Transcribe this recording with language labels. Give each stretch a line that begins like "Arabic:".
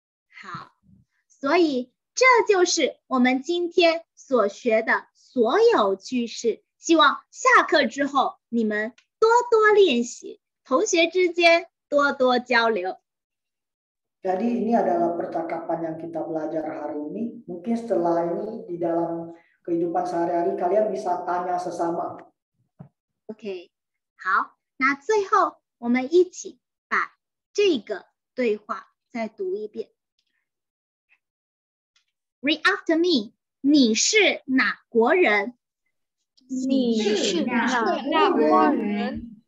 Chinese: 好，所以这就是我们今天所学的所有句式。希望下课之后你们多多练习，同学之间。多多交流.
Indonesian: Jadi ini adalah percakapan yang kita belajar hari ini. Mungkin setelah ini di dalam kehidupan sehari-hari kalian bisa tanya sesama.
English: Oke. Okay.
Chinese: 好,那最後我們一起把這個對話再讀一遍.
English: Read after me.
Chinese: 你是哪國人? 你是哪國人?